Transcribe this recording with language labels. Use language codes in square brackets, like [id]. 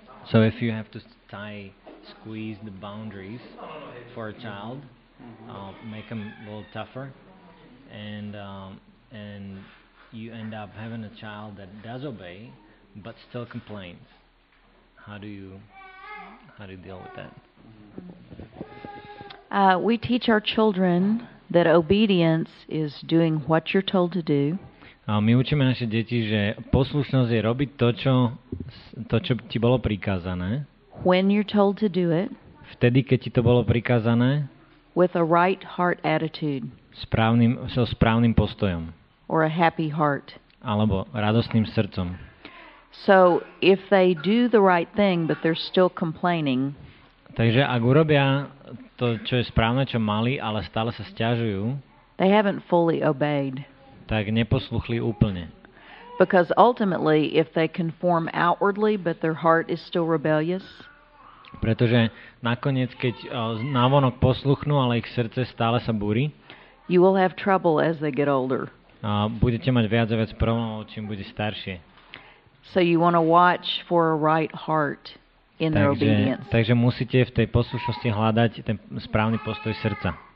[en] So if you have to tie, squeeze the boundaries for a child, make them a little tougher, and you end up having a child that does obey, but still complains. How do you deal with that? We teach our children that obedience is doing what you're told to do. [sk] My učíme naše deti, že poslušnosť je robiť to, čo ti bolo prikázané. [en] When you're told to do it. [sk] Vtedy, keď ti to bolo prikázané. [en] With a right heart attitude. [sk] So správnym postojom. [en] Or a happy heart. [sk] Alebo radosným srdcom. [en] So if they do the right thing, but they're still complaining. [sk] Takže ak urobia to, čo je správne, čo mali, ale stále sa sťažujú. [en] They haven't fully obeyed. [sk] Tak neposluchli úplne. [en] Because ultimately if they conform outwardly but their heart is still rebellious. [sk] Pretože nakoniec keď navonok posluchnú, ale ich srdce stále sa búri. [en] You will have trouble as they get older. [sk] Budete mať viac a viac problémov, čím bude staršie. [en] So you want to watch for a right heart in their obedience. [sk] Takže musíte v tej poslušnosti hľadať ten správny postoj srdca.